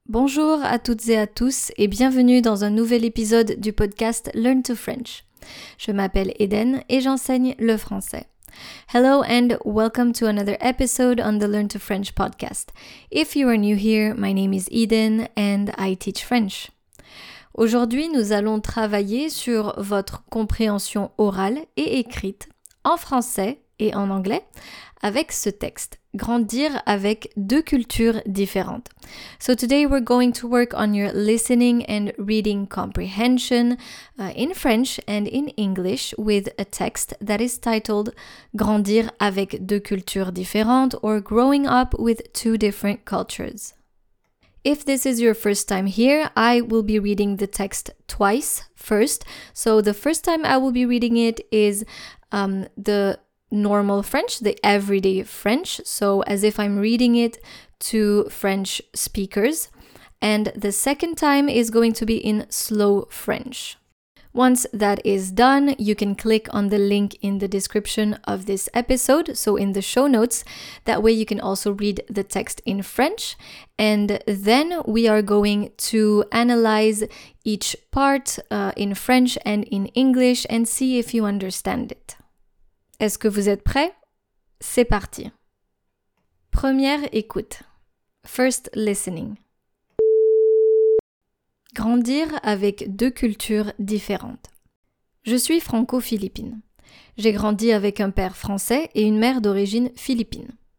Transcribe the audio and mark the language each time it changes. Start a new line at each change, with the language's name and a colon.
French: Bonjour à toutes et à tous et bienvenue dans un nouvel épisode du podcast Learn to French. Je m'appelle Eden et j'enseigne le français.
English: Hello and welcome to another episode on the Learn to French podcast. If you are new here, my name is Eden and I teach French.
French: Aujourd'hui, nous allons travailler sur votre compréhension orale et écrite en français et en anglais avec ce texte. Grandir avec deux cultures différentes.
English: So today we're going to work on your listening and reading comprehension in French and in English with a text that is titled
French: Grandir avec deux cultures différentes
English: or Growing Up with Two Different Cultures. If this is your first time here, I will be reading the text twice first. So the first time I will be reading it is the normal French, the everyday French, so as if I'm reading it to French speakers. And the second time is going to be in slow French. Once that is done, you can click on the link in the description of this episode, so in the show notes. That way you can also read the text in French. And then we are going to analyze each part in French and in English and see if you understand it.
French: Est-ce que vous êtes prêts? C'est parti. Première écoute.
English: First listening.
French: Grandir avec deux cultures différentes. Je suis franco-philippine. J'ai grandi avec un père français et une mère d'origine philippine.